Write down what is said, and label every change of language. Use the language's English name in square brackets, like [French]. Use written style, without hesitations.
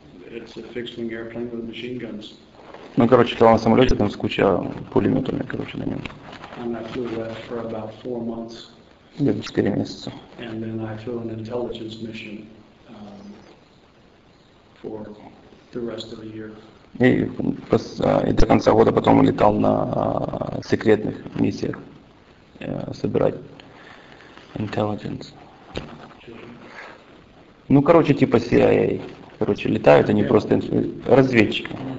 [English] It's a fixed-wing airplane with machine guns. [Russian] Ну, короче, летал на самолете, там с куча пулеметами, короче, на нем. [English] And I flew that for about 4 months. [Russian] Где-то 4 месяца. [English] And then I flew an intelligence mission for the rest of the year. [Russian] И до конца года потом летал на секретных миссиях собирать intelligence. Ну, короче, типа CIA. Короче, летают они просто разведчики.